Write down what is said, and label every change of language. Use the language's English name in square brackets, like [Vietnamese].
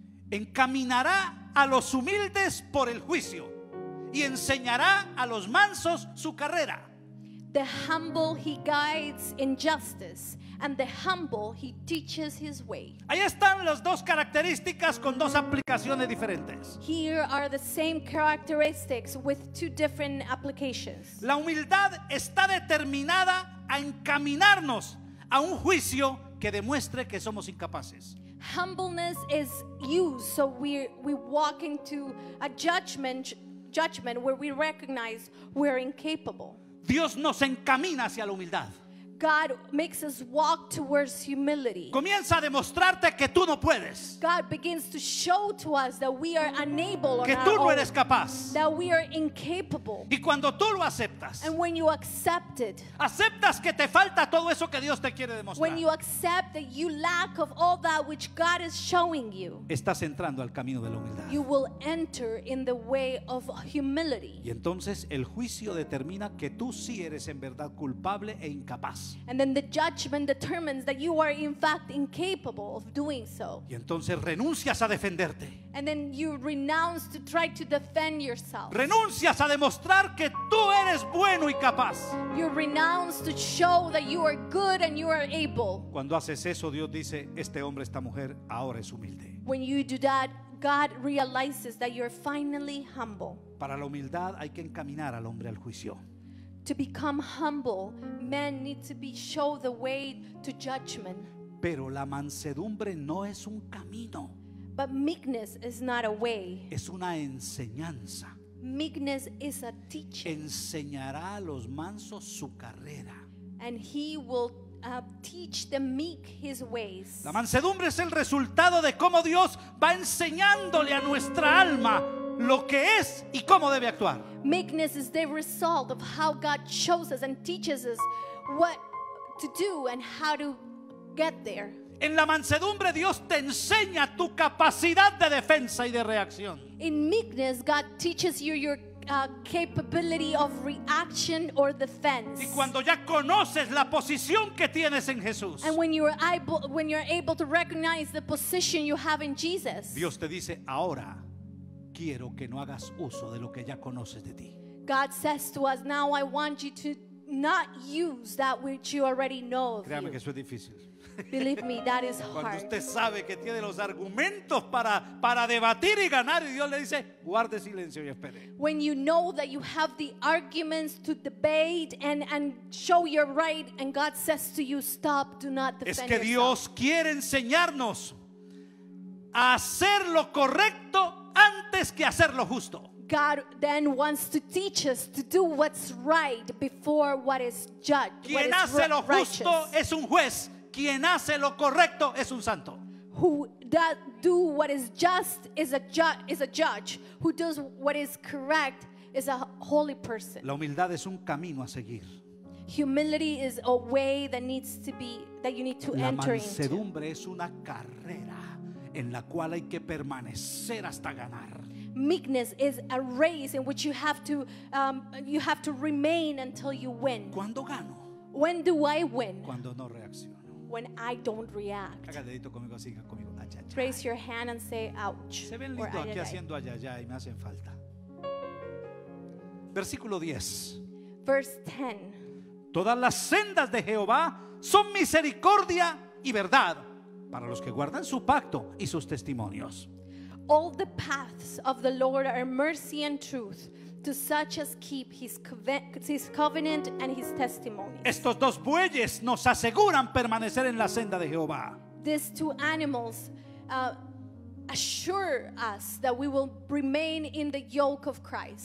[Spanish] Encaminará a los humildes por el juicio y enseñará a los mansos su carrera. [English] The humble he guides in justice and the humble he teaches his way. [Spanish] Ahí están las dos características con dos aplicaciones diferentes. [English] Here are the same characteristics with two different applications. [Spanish] La humildad está determinada a encaminarnos a un juicio que demuestre que somos incapaces. [English] Humbleness is used so we walk into a judgment where we recognize we're incapable. [Spanish] Dios nos encamina hacia la humildad. [English] God makes us walk towards humility. [Spanish] Comienza a demostrarte que tú no puedes. [English] God begins to show to us that we are unable. [Spanish] Que tú no eres capaz. [English] That we are incapable. [Spanish] Y cuando tú lo aceptas. [English] And when you accept it. [Spanish] Aceptas que te falta todo eso que Dios te quiere demostrar. [English] When you accept that you lack of all that which God is showing you. [Spanish] Estás entrando al camino de la humildad. [English] You will enter in the way of humility. [Spanish] Y entonces el juicio determina que tú sí eres en verdad culpable e incapaz. [English] And then the judgment determines that you are in fact incapable of doing so. [Spanish] Y entonces renuncias a defenderte. [English] And then you renounce to try to defend yourself. [Spanish] Renuncias a demostrar que tú eres bueno y capaz. [English] You renounce to show that you are good and you are able. [Spanish] Cuando haces eso, Dios dice, este hombre, esta mujer, ahora es humilde. [English] When you do that, God realizes that you are finally humble. [Spanish] Para la humildad hay que encaminar al hombre al juicio. [English] To become humble, men need to be shown the way to judgment. [Spanish] Pero la mansedumbre no es un camino. [English] But meekness is not a way. [Spanish] Es una enseñanza. [English] Meekness is a teaching. [Spanish] Enseñará a los mansos su carrera. [English] And he will teach the meek his ways. [Spanish] La mansedumbre es el resultado de cómo Dios va enseñándole a nuestra alma lo que es y cómo debe actuar. [English] Meekness is the result of how God shows us and teaches us what to do and how to get there. [Spanish] En la mansedumbre Dios te enseña tu capacidad de defensa y de reacción. [English] In meekness God teaches you your capability of reaction or defense. [Spanish] Y cuando ya conoces la posición que tienes en Jesús. [English] And when you're able to recognize the position you have in Jesus. [Spanish] Dios te dice ahora quiero que no hagas uso de lo que ya conoces de ti. [English] God says to us, now I want you to not use that which you already know of. [Spanish] Créame que eso es difícil. [English] Believe me, that is hard. [Spanish] Cuando usted sabe que tiene los argumentos para debatir y ganar, y Dios le dice, guarde silencio y espere. [English] When you know that you have the arguments to debate and show your right, and God says to you, stop, do not defend yourself. [Spanish] Es que Dios quiere enseñarnos a hacer lo correcto antes que hacer lo justo. [English] God then wants to teach us to do what's right before what is judged. [Spanish] Quien hace lo justo es un juez. Quien hace lo correcto es un santo. [English] Who does do what is just is a judge. Who does what is correct is a holy person. [Spanish] La humildad es un camino a seguir. [English] Humility is a way that needs to be that you need to la enter into. [Spanish] La mansedumbre es una carrera en la cual hay que permanecer hasta ganar. [English] Meekness is a race in which you have to remain until you win. [Spanish] ¿Cuándo gano? [English] When do I win? [Spanish] Cuando no reacciono. [English] When I don't react. [Spanish] Haga dedito conmigo, siga conmigo. [English] Raise your hand and say ouch. [Spanish] Se ven lindo aquí haciendo ayayay y me hacen falta. Versículo 10. [English] Verse 10. [Spanish] Todas las sendas de Jehová son misericordia y verdad para los que guardan su pacto y sus testimonios. [English] All the paths of the Lord are mercy and truth to such as keep his covenant and his testimonies. [Spanish] Estos dos bueyes nos aseguran permanecer en la senda de Jehová. [English] These two animals assure us that we will remain in the yoke of Christ.